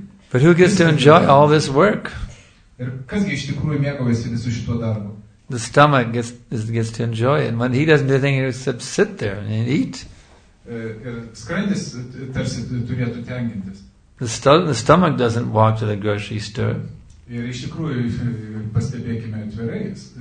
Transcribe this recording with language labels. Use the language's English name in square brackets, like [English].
[English] But who gets to enjoy all this work? [Lithuanian] Ir kasgi iš tikrųjų mėgaujasi visu šituo darbu? [English] The stomach gets to enjoy it. When he doesn't do anything except sit there and eat. [Lithuanian] Ir skrandis tarsi turėtų tengintis. [English] The stomach doesn't walk to the grocery store. [Lithuanian] Ir iš tikrųjų, pastebėkime atvirai,